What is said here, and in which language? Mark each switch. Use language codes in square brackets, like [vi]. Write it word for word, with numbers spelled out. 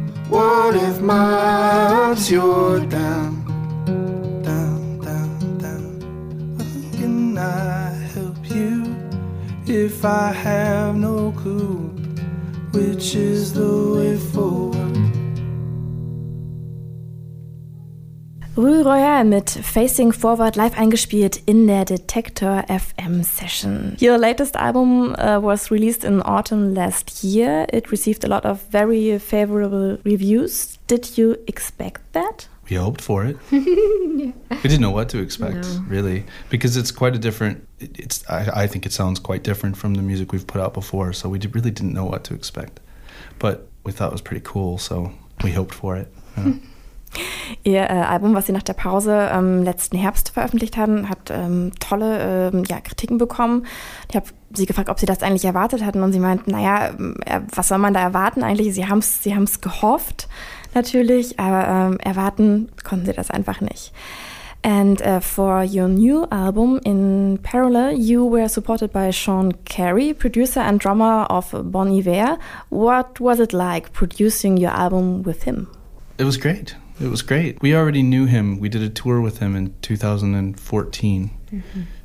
[en] What if my ups, you're down? Down, down, down. How can I help you if I have no clue which is the way forward? [de] Rue Royal mit Facing Forward live eingespielt in der Detektor F M Session. [en] Your latest album uh, was released in autumn last year. It received a lot of very favorable reviews. Did you expect that? We hoped for it. Yeah. We didn't know what to expect, no. Really, because it's quite a different. It's I, I think it sounds quite different from the music we've put out before. So we did, really didn't know what to expect, but we thought it was pretty cool. So we hoped for it. Yeah. [de] Ihr äh, Album, was Sie nach der Pause ähm, letzten Herbst veröffentlicht haben, hat ähm, tolle ähm, ja, Kritiken bekommen. Ich habe Sie gefragt, ob Sie das eigentlich erwartet hatten und Sie meinten, naja, äh, was soll man da erwarten eigentlich? Sie haben es Sie haben's gehofft natürlich, aber ähm, erwarten konnten Sie das einfach nicht. [en] And uh, for your new album, in parallel, you were supported by Sean Carey, producer and drummer of Bon Iver. What was it like producing your album with him? It was great. It was great. We already knew him. We did a tour with him in two thousand fourteen mm-hmm.